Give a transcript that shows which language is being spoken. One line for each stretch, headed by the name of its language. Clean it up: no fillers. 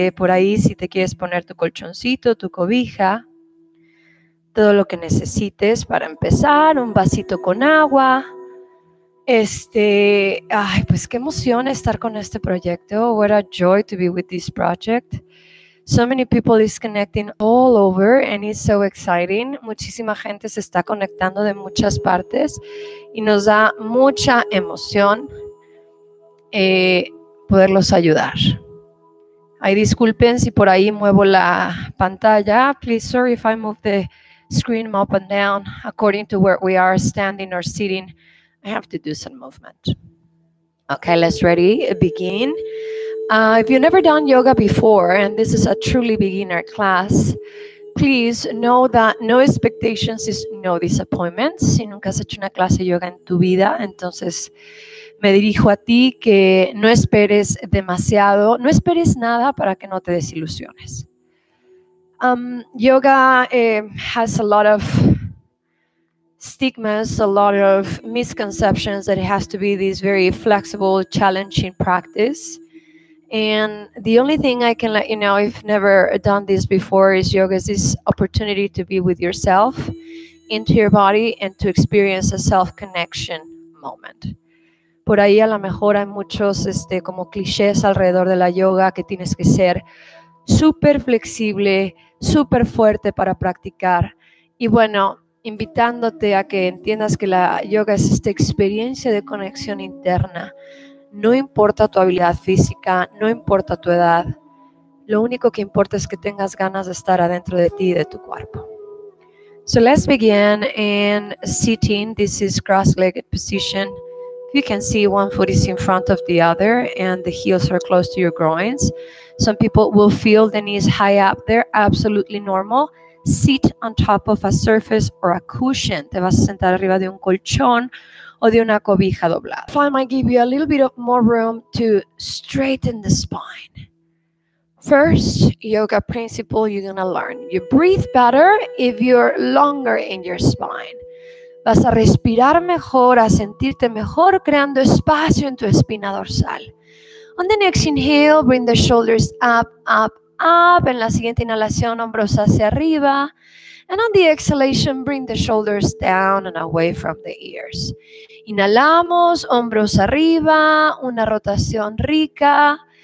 Spanish: Por ahí, si te quieres poner tu colchoncito, tu cobija, todo lo que necesites para empezar, un vasito con agua. Ay, pues qué emoción estar con este proyecto.
English: What a joy to be with this project. So many people is connecting all over and it's so exciting.
Spanish: Muchísima gente se está conectando de muchas partes y nos da mucha emoción poderlos ayudar. Ay, disculpen si por ahí muevo la pantalla.
English: Please, sorry if I move the screen up and down according to where we are standing or sitting. I have to do some movement. Okay, let's ready, begin. If you've never done yoga before, and this is a truly beginner class, please know that no expectations is no disappointments.
Spanish: Si nunca has hecho una clase de yoga en tu vida, entonces me dirijo a ti que no esperes demasiado, no esperes nada para que no te desilusiones.
English: Yoga has a lot of stigmas, a lot of misconceptions that it has to be this very flexible, challenging practice. And the only thing I can let you know, if never done this before, is yoga is this opportunity to be with yourself, into your body, and to experience a self-connection moment.
Spanish: Por ahí a lo mejor hay muchos como clichés alrededor de la yoga que tienes que ser súper flexible, súper fuerte para practicar. Y bueno, invitándote a que entiendas que la yoga es esta experiencia de conexión interna. No importa tu habilidad física, no importa tu edad. Lo único que importa es que tengas ganas de estar adentro de ti y de tu cuerpo.
English: So let's begin in sitting. This is cross-legged position. You can see one foot is in front of the other and the heels are close to your groins. Some people will feel the knees high up. They're absolutely normal. Sit on top of a surface or a cushion.
Spanish: Te vas a sentar arriba de un colchón o de una cobija doblada.
English: If I might give you a little bit of more room to straighten the spine. First yoga principle you're going to learn. You breathe better if you're longer in your spine.
Spanish: Vas a respirar mejor, a sentirte mejor, creando espacio en tu espina dorsal.
English: On the next inhale, bring the shoulders up, up, up.
Spanish: En la siguiente inhalación, hombros hacia arriba.
English: And on the exhalation, bring the shoulders down and away from the ears.
Spanish: Inhalamos, hombros arriba, una rotación rica.